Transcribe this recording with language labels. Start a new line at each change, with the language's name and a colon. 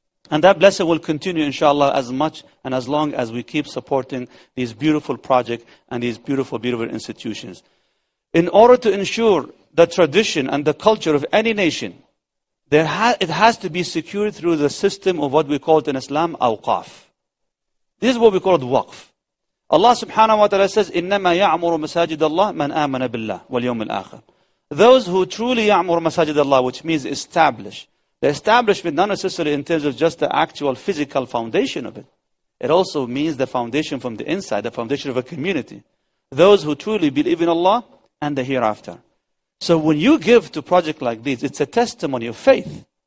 English: And that blessing will continue, inshallah, as much and as long as we keep supporting these beautiful projects and these beautiful, beautiful institutions. In order to ensure the tradition and the culture of any nation, it has to be secured through the system of what we call it in Islam, awqaf. This is what we call it, waqf. Allah subhanahu wa ta'ala says,
Arabic: إِنَّمَا يَعْمُرُ مَسَاجِدَ اللَّهِ مَنْ آمَنَ بِاللَّهِ وَالْيَوْمِ الْآخِرِ.
English: Those who truly
Arabic: يَعْمُرُ مَسَاجِدَ اللَّهِ,
English: which means establish, the establishment not necessarily in terms of just the actual physical foundation of it. It also means the foundation from the inside, the foundation of a community. Those who truly believe in Allah and the hereafter. So when you give to projects like these, it's a testimony of faith.